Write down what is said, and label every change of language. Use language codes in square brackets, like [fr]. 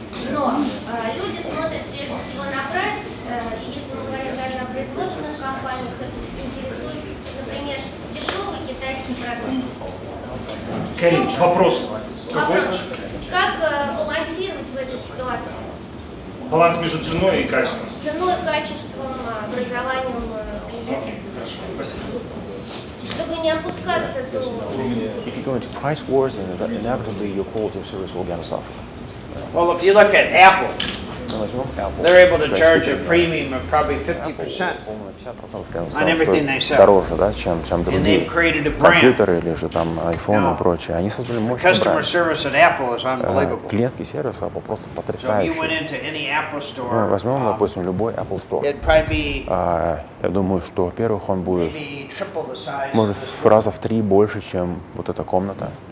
[ru] Но люди смотрят прежде всего на прайс, если мы говорим даже о производственных компаниях, их интересует, например, дешевый китайский продукт. Кэрин, вопрос. Как балансировать в этой ситуации? Баланс между ценой и качеством. Ценой, качеством, образованием. [en] If you go into price wars, then inevitably your quality of service will get suffer. Well, if you look at Apple, they're able to charge a premium of probably 50% on everything they sell. [ru] Дороже, да, чем другие. [en] And they've created a brand. [ru] Компьютеры или же там iPhone и прочее. Они создали мощный бренд. [en] Customer service at Apple is unbelievable. [ru] Клиентский сервис Apple просто потрясающий. [en] So you went into any Apple store. [ru] Возьмем, допустим, любой Apple store. [en] It'd probably be [ru] Я думаю, что, во-первых, он будет, может, в раза в три больше, чем вот эта комната.